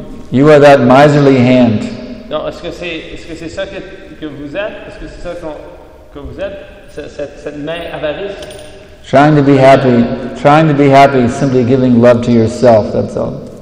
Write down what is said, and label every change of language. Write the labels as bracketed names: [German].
[English] you are that miserly hand. [French] Non, est-ce que c'est ça que vous êtes? Est-ce que c'est ça que vous êtes? Cette main avarice? [English] Trying to be happy, simply giving love to yourself, that's all.